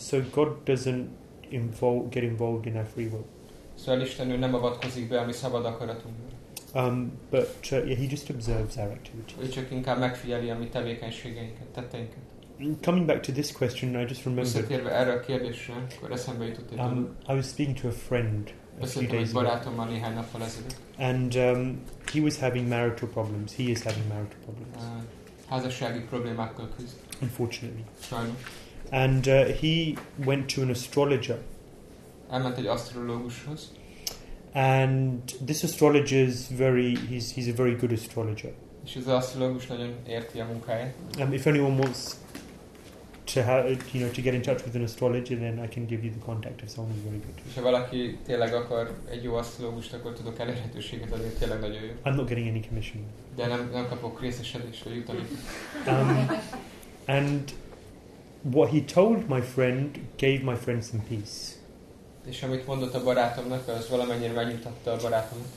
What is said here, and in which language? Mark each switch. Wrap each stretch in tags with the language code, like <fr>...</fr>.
<en>So God doesn't get involved in our free will.</en> <hu>Szóval Isten, ő nem avatkozik be a mi szabad akaratunkba.</hu> <en>He just observes our activities.</en> <hu>Ő csak inkább megfigyeli a mi tevékenységeinket, tetteinket.</hu> <en>Coming back to this question, I just remembered.</en> <hu>Visszatérve erre a kérdésre, akkor eszembe jutott egy dolog.</hu> <en>I was speaking to a friend a few days ago. And he was having marital problems. He is having marital problems.</en> <hu>Házassági problémákkal küzd.</hu> <en>Unfortunately.</en> <hu>Sajnos.</hu> <en>And he went to an astrologer.</en> <hu>Elment egy asztrológushoz.</hu> <en>And this astrologer is very, he's a very good astrologer.</en> <hu>És az asztrológus nagyon érti a munkáját.</hu> <en>If anyone wants to to get in touch with an astrologer, then I can give you the contact if someone is very good.</en> <hu>Ha valaki tényleg akar egy jó asztrológust, akkor tudok elérhetőséget adni, tényleg nagyon jó.</hu> <en>I'm not getting any commission.</en> <hu>De nem kapok részesedést, vagy utalni.</hu> <en>And what he told my friend gave my friend some peace.</en> <hu>És amit mondott a barátomnak, az valamennyire megnyugtatta a barátomat.</hu>